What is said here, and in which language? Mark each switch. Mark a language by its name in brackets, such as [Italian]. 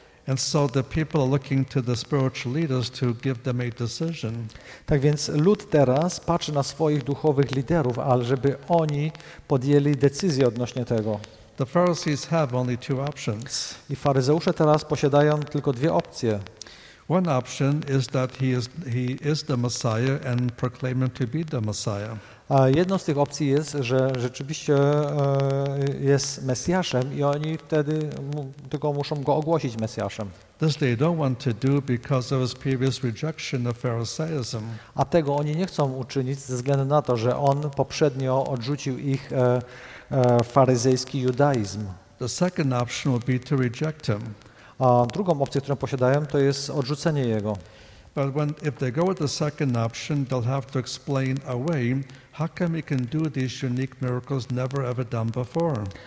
[English] And so the people are looking to the spiritual leaders to give them a decision. [Polish] Tak więc lud teraz patrzy na swoich duchowych liderów, ale żeby oni podjęli decyzję odnośnie tego. [English] The Pharisees have only two options. [Polish] I faryzeusze teraz posiadają tylko dwie opcje. [English] One option is that he is the Messiah and proclaim him to be the Messiah. [Polish] A jedną z tych opcji jest, że rzeczywiście jest Mesjaszem i oni wtedy tylko muszą go ogłosić Mesjaszem. [English] This they don't want to do because of his previous rejection of Pharisaism. [Polish] A tego oni nie chcą uczynić ze względu na to, że on poprzednio odrzucił ich faryzejski judaizm. [English] The second option would be to reject him. [Polish] A drugą opcję, którą posiadają, to jest odrzucenie jego. [English] But when if they go with the second option, they'll have to explain away how come he can do these unique miracles never ever done before.